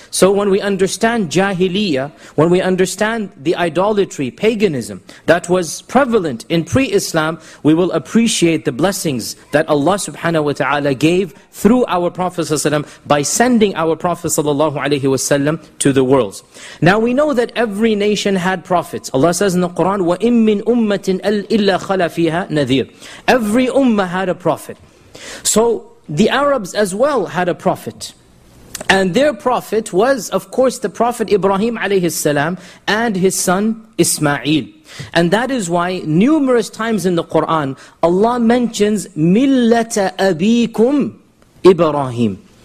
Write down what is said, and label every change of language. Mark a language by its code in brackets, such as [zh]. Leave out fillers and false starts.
[en] So when we understand jahiliyyah, when we understand the idolatry, paganism, that was prevalent in pre-Islam, we will appreciate the blessings that Allah subhanahu wa ta'ala gave through our Prophet ﷺ by sending our Prophet ﷺ to the world. Now we know that every nation had prophets. Allah says in the Quran, [ar] وَإِمْ مِنْ أُمَّةٍ إِلَّا خَلَى فِيهَا نَذِيرٌ. [en] Every ummah had a prophet. So the Arabs as well had a prophet. And their prophet was, of course, the Prophet Ibrahim alayhi salam and his son Ismail. And that is why numerous times in the Quran, Allah mentions [ar] مِلَّةَ أَبِيكُمْ [en] Ibrahim.